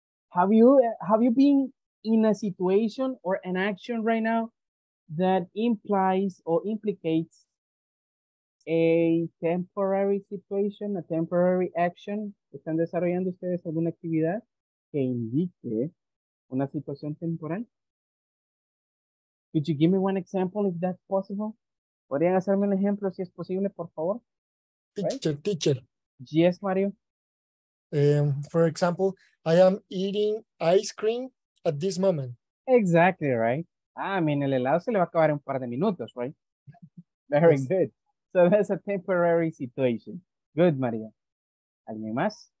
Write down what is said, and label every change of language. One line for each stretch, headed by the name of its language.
English: Have you been in a situation or an action right now that implies or implicates a temporary situation, a temporary action?
Spanish: ¿Están desarrollando ustedes alguna actividad que indique una situación temporal?
English: Could you give me one example if that's possible?
Spanish: ¿Podrían hacerme un ejemplo si es posible, por favor?
English: Teacher, right? Teacher. Yes, Mario. For example, I am eating ice cream at this moment. Exactly, right?
Spanish: El helado se le va a acabar en un par de minutos, right?
English: Very yes. Good. So that's a temporary situation. Good, Mario.
Spanish: ¿Alguien más?